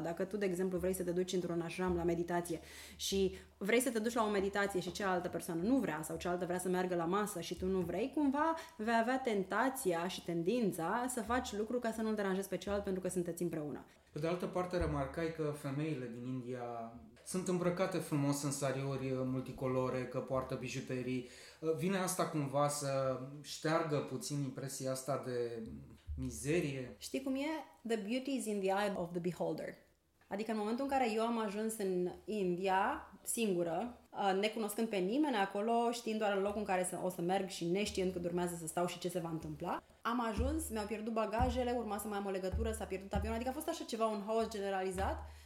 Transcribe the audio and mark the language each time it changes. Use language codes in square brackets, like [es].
[ro] Dacă tu, de exemplu, vrei să te duci într-un ashram la meditație și vrei să te duci la o meditație și cealaltă persoană nu vrea sau cealaltă vrea să meargă la masă și tu nu vrei, cumva vei avea tentația și tendința să faci lucru ca să nu-l deranjezi pe celălalt pentru că sunteți împreună. Pe de altă parte, remarcai că femeile din India sunt îmbrăcate frumos în sariuri multicolore, că poartă bijuterii. Vine asta cumva să șteargă puțin impresia asta de mizerie? Știi cum e? [en] The beauty is in the eye of the beholder. [ro] Adică în momentul în care eu am ajuns în India, singură, necunoscând pe nimeni acolo, știind doar în locul în care o să merg și neștiind cât urmează să stau și ce se va întâmpla, am ajuns, mi-au pierdut bagajele, urma să mai am o legătură, s-a pierdut avionul, adică a fost așa ceva, un haos generalizat.